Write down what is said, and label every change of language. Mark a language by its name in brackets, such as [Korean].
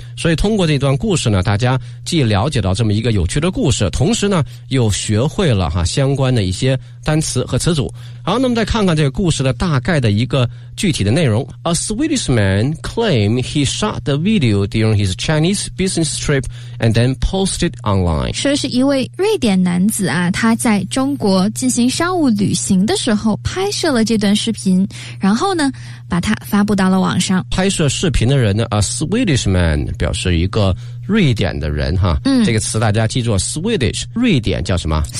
[Chinese] 所以通过这段故事呢，大家既了解到这么一个有趣的故事，同时呢又学会了哈相关的一些单词和词组。好，那么再看看这个故事的大概的一个具体的内容。 [English] A Swedish man claimed he shot the video during his Chinese business trip and then posted online. [Chinese] 说是一位瑞典男子啊，他在中国进行商务旅行的时候拍摄了这段视频，然后呢把它发布到了网上。拍摄视频的人呢 [English] A Swedish man [Chinese] 表示一个瑞典的人哈，嗯，这个词大家记住 Swedish， 瑞典叫什么